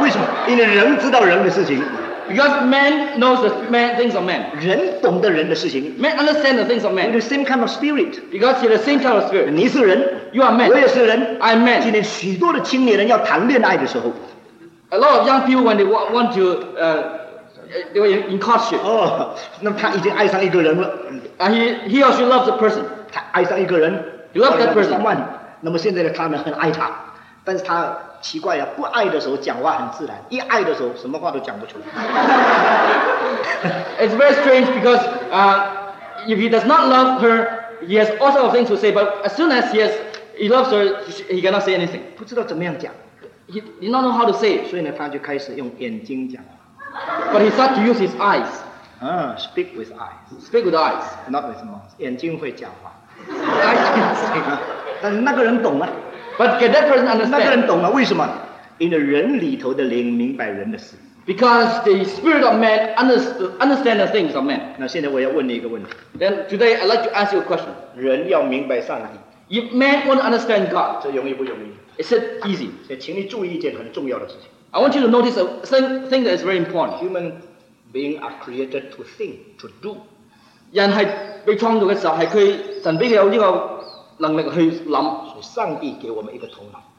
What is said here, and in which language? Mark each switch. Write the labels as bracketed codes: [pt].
[zh] 你住在别的房子。为什么？因为人知道人的事情。 [en] Because man knows the man things of man. [zh] 人懂得人的事情. [en] Man understands the things of man. You're the same kind of spirit. Because you're the same kind of spirit. [zh] 你是人. [en] You are man. [zh] 我也是人. [en] I'm man. [zh] 今天许多的青年人要谈恋爱的时候, [en] a lot of young people when they want to, they were in courtship. [zh] Oh, 那他已经爱上一个人了. [en] And he or she loves a person. [zh] 他爱上一个人. [en] He loves that person. [zh] 爱上 [en] someone. [zh] 那么现在的他呢，很爱他.但是他奇怪啊，不爱的时候讲话很自然，一爱的时候什么话都讲不出来。 [en] It's very strange because if he does not love her, he has all sorts of things to say, but as soon as he loves her, he cannot say anything. [zh] 不知道怎么样讲。 [en] He not know how to say it. [zh] 所以呢，他就开始用眼睛讲话。 [en] But he started to use his eyes. Speak with eyes. Speak with eyes. Not with mouth. [zh] 眼睛会讲话。 [en] I can say. [zh] 但那个人懂了。 [en] But can that person understand? [zh] 那个人懂了，为什么？ [en] In the [zh] 人里头的灵明白人的事。 [en] Because the spirit of man understand the things of man. [zh] 那现在我要问你一个问题。 [en] Then today I'd like to ask you a question. [zh] 人要明白上帝。 [en] If man want to understand God. [zh] 这容易不容易？ [en] Is it easy? [zh] 请你注意一件很重要的事情。 [en] I want you to notice a thing that is very important. Human beings are created to think, to do. [zh] 人是被创造的时候，还可以神俾佢有这个 能力去想，所以上帝给我们一个头脑。